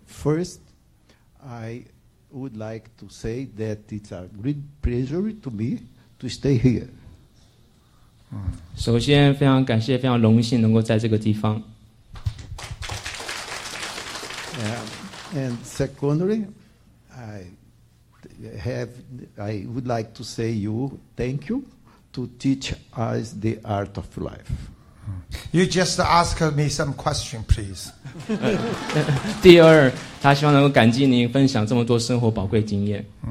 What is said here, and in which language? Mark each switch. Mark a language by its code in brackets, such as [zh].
[en] First, I would like to say that it's a great pleasure to me to stay here. [zh] 首先非常感谢，非常荣幸能够在这个地方。 [en] And secondly, I would like to say you thank you to teach us the art of life. You just ask me some question, please. [zh] 第二，他希望能够感激您分享这么多生活宝贵经验。